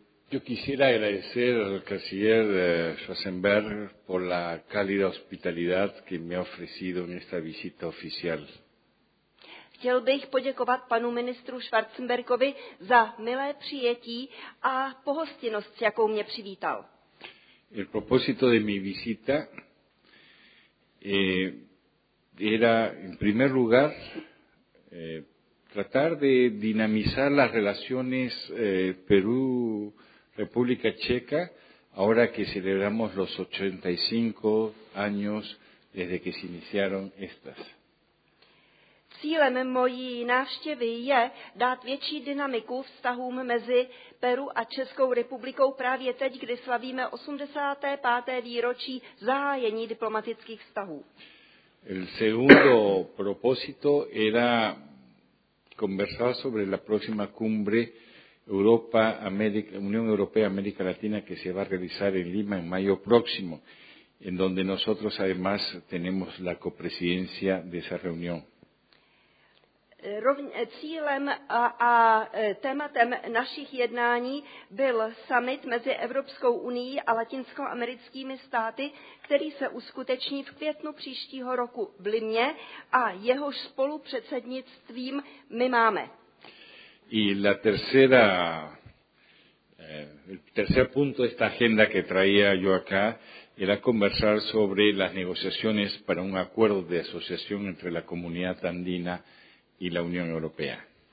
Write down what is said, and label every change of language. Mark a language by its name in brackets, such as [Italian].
[Spanish] Yo quisiera agradecer al canciller Schwarzenberg por la cálida hospitalidad que me ha ofrecido en esta visita oficial. [Czech] Chtěl bych poděkovat panu ministru Schwarzenbergovi za milé přijetí a pohostinnost, jakou mě přivítal. [Spanish] El propósito de mi visita era, en primer lugar, tratar de dinamizar las relaciones Perú República Checa, ahora que celebramos los 85 años desde que se iniciaron estas. [Czech] Cílem mojí návštěvy je dát větší dynamiku vztahům mezi Peru a Českou republikou právě teď, kdy slavíme 85. výročí zahájení diplomatických vztahů. [Spanish] El segundo propósito era conversar sobre la próxima cumbre Unión Europea-América Latina que se va a realizar en Lima en mayo próximo, en donde nosotros además tenemos la copresidencia de esa reunión. [Czech] Cílem a tématem našich jednání byl summit mezi Evropskou unií a latinskoamerickými státy, který se uskuteční v květnu příštího roku v Limě a jehož spolupředsednictvím my máme. [Spanish] Y la tercera, el tercer punto de esta agenda que traía yo acá era conversar sobre las negociaciones para un acuerdo de asociación entre la comunidad andina y la Unión Europea.